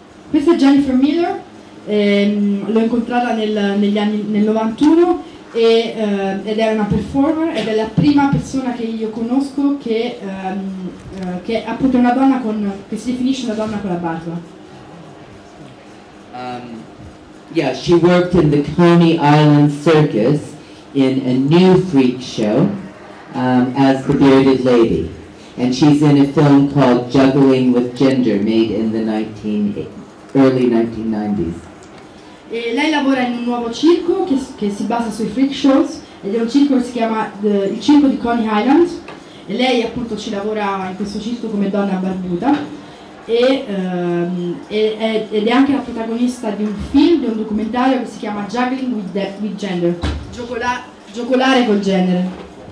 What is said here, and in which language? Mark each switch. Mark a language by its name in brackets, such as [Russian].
[Italian] Questa è Jennifer Miller, l'ho incontrata nel 91 ed è una performer ed è la prima persona che io conosco che è appunto una donna che si definisce una donna con la barba. [English] Yeah, she worked in the Coney Island Circus in a new freak show as the bearded lady. And she's in a film called Juggling with Gender, made in the early 1990s. [Italian] E lei lavora in un nuovo circo che si basa sui freak shows, ed è un circo che si chiama il circo di Coney Island, e lei appunto ci lavora in questo circo come donna barbuta, ed è anche la protagonista di un film, di un documentario che si chiama Juggling with Gender, giocolare col genere.